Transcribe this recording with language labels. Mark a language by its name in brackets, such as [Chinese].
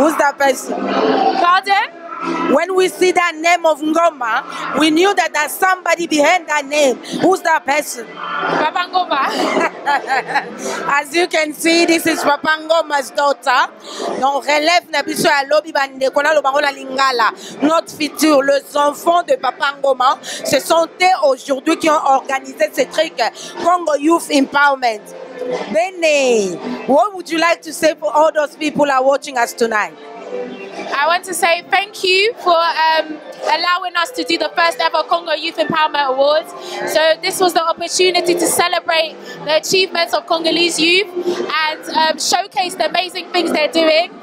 [English] Who's that person? Pardon? When we see that name of Ngoma, we knew that there's somebody behind that name. Who's that person? Papa Ngoma. As you can see, this is Papa Ngoma's daughter. [French] Donc relève [Lingala] na biso ya lobi ba ndeko na lobango la lingala. [French] Notre futur, les enfants de Papa Ngoma, ce sont eux aujourd'hui qui ont organisé ce truc Congo Youth Empowerment. [English] Bene, what would you like to say for all those people who are watching us tonight? I want to say thank you for allowing us to do the first ever Congo Youth Empowerment Awards. So this was the opportunity to celebrate the achievements of Congolese youth and showcase the amazing things they're doing.